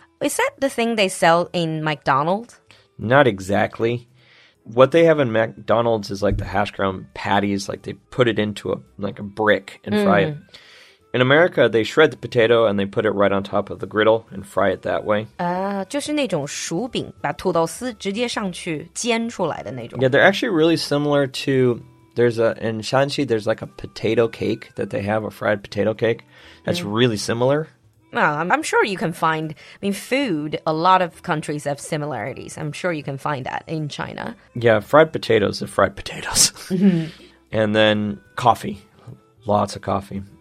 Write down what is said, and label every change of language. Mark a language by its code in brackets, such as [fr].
[en] Is that the thing they sell in McDonald's? Not exactly. What they have in McDonald's is like the hash brown patties, like they put it into a brick and fry it. In America, they shred the potato and they put it right on top of the griddle and fry it that way. [zh] 就是那种薯饼，把土豆丝直接上去煎出来的那种。 [en] Yeah, they're actually really similar to, in Shaanxi, there's like a potato cake that they have, a fried potato cake. That's really similar. Well, I'm sure you can find, food, a lot of countries have similarities. I'm sure you can find that in China. Yeah, fried potatoes are fried potatoes. And then coffee, lots of coffee.